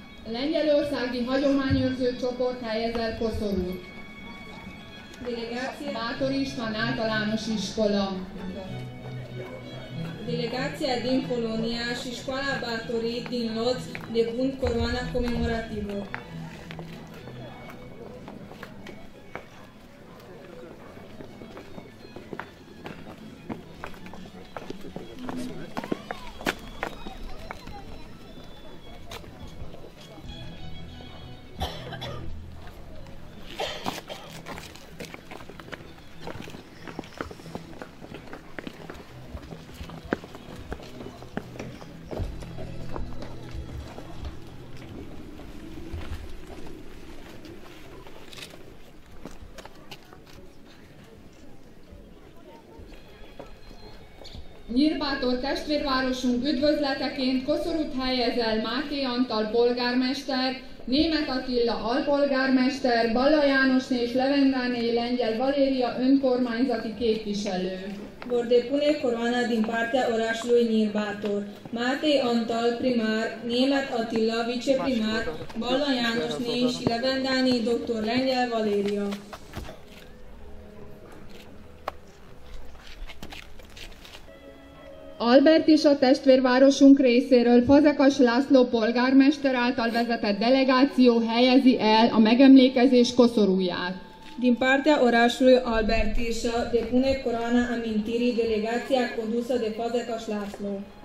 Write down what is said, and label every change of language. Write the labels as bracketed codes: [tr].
[hu] Lengyelországi hagyományőrző csoport helyez el koszorút. [ro] Delegácia [hu] Bátor István általános iskola. [ro] Delegácia din Polonia și școala Bátorii din Lodz depun coroana comemorativă. [hu] Nyírbátor testvérvárosunk üdvözleteként koszorút helyez el Máté Antal polgármester, Németh Attila alpolgármester, Balla Jánosné és Levendáné lengyel Valéria önkormányzati képviselő. [ro] Vor depune coroana din partea orașului Nyírbátor. Máté Antal primár, Németh Attila viceprimár, Balla Jánosné és Levendáné dr. lengyel Valéria. [hu] Albert is a testvérvárosunk részéről Fazekas László polgármester által vezetett delegáció helyezi el a megemlékezés koszorúját. [ro] Din partea orașului Albert is depune coroana amintirii delegația condusă de Fazekas László.